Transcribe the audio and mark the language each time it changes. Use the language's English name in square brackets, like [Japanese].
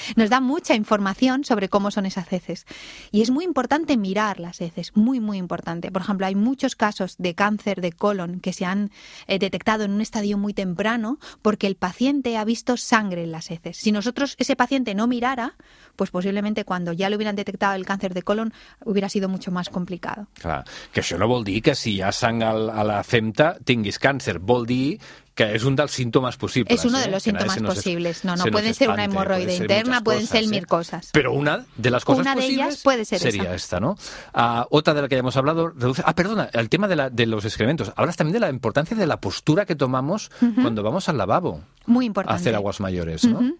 [Spanish] Nos da mucha información sobre cómo son esas heces. Y es muy importante mirar las heces, muy, muy importante. Por ejemplo, hay muchos casos de cáncer de colon que se han detectado en un estadio muy temprano porque el paciente ha visto sangre en las heces. Si nosotros, ese paciente no mirara, pues posiblemente cuando ya le hubieran detectado el cáncer de colon hubiera sido mucho más complicado. [Catalan] Clar, que això no vol dir que si hi ha sang a la femta tinguis càncer, vol dir que és un dels símptomes possibles. És un dels símptomes possibles. [Spanish] No, pueden ser una hemorroide interna, pueden ser mil coses. [Catalan] Però una de les coses possibles [Spanish] puede ser [Catalan] seria [Spanish] esa. ¿No? Otra de la que ja hemos hablado, reduce. Ah, perdona, el tema de los excrementos. Hablas también de la importancia de la postura que tomamos cuando vamos al lavabo. Muy importante. Hacer aguas mayores, ¿no? Uh-huh.